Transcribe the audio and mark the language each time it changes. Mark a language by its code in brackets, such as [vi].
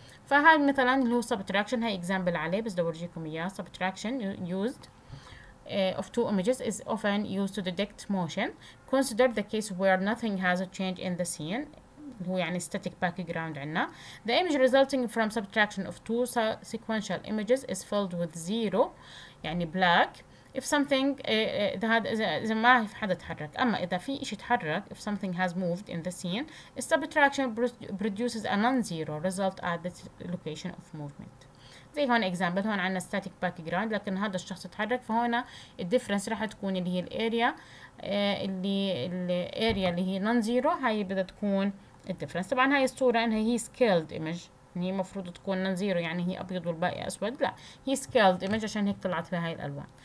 [ar] فهذا مثلا اللي هو subtraction، هاي example عليه بس بدي اورجيكم اياه. [en] subtraction used of two images is often used to detect motion. consider the case where nothing has changed in the scene، [ar] اللي هو يعني [en] static background [ar] عنا. [en] the image resulting from subtraction of two sequential images is filled with zero، [ar] يعني [en] black. if something [ar] إذا ما في حدا تحرك، أما إذا في إشي تحرك [en] if something has moved in the scene subtraction produces a non-zero result at the location of movement. [ar] زي هون example، هون عنا static background لكن هذا الشخص تحرك، فهنا الdifference راح تكون اللي هي area اللي area اللي هي non-zero، هاي بدها تكون الdifference. طبعا هاي الصورة إنها هي scaled image، هي مفروض تكون نون زيرو يعني هي ابيض والباقي اسود، لا هي سكيلد ايمج عشان هيك طلعت بهاي الالوان.